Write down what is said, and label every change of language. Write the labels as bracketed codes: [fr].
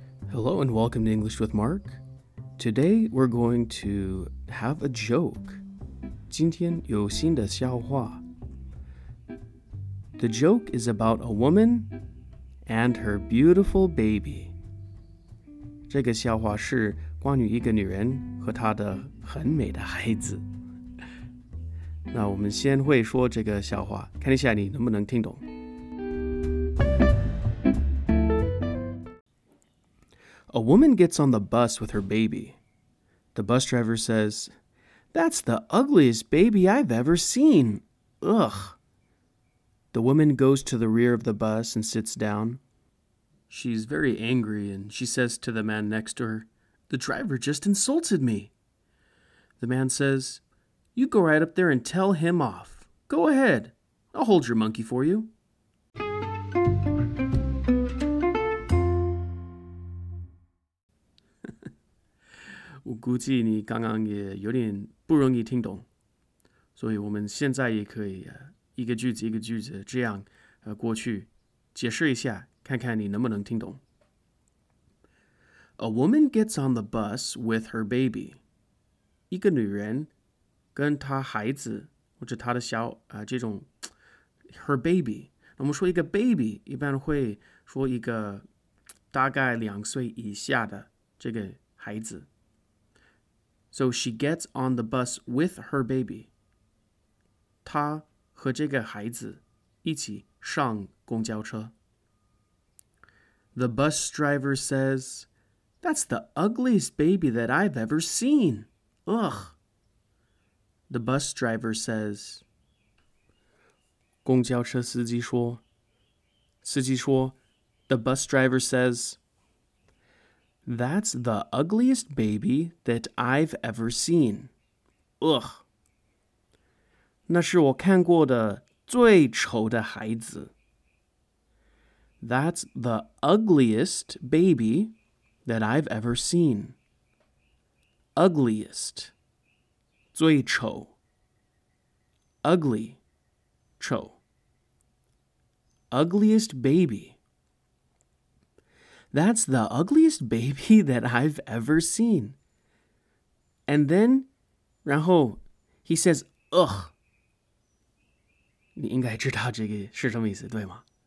[en] Hello and welcome to English with Mark. Today we're going to have a joke. [zh] 今天有新的笑话。 [en] The joke is about a woman and her beautiful baby. [zh] 这个笑话是关于一个女人和她的很美的孩子。那我们先会说这个笑话，看一下你能不能听懂。 [en] A woman gets on the bus with her baby. The bus driver says, That's the ugliest baby I've ever seen. Ugh. The woman goes to the rear of the bus and sits down. She's very angry and she says to the man next to her, The driver just insulted me. The man says, You go right up there and tell him off. Go ahead. I'll hold your monkey for you. [zh] 我估计你刚刚也有点不容易听懂，所以我们现在也可以一个句子一个句子这样过去解释一下，看看你能不能听懂。 [en] A woman gets on the bus with her baby. [zh] 一个女人跟她孩子或者她的小这种 [en] her baby. [zh] 我们说一个 baby 一般会说一个大概两岁以下的这个孩子。 [en] So she gets on the bus with her baby. [zh] 她和这个孩子一起上公交车。 [en] The bus driver says, That's the ugliest baby that I've ever seen. Ugh. The bus driver says, [zh] 公交车司机说, 司机说, [en] The bus driver says,That's the ugliest baby that I've ever seen. Ugh. [zh] 那是我看过的最丑的孩子。 [en] That's the ugliest baby that I've ever seen. Ugliest. [zh] 最丑。 [en] Ugly. [zh] 丑。 [en] Ugliest baby. That's the ugliest baby that I've ever seen. And then, [zh] 然后, [en] he says, ugh. [zh] 你应该知道这个是什么意思,对吗?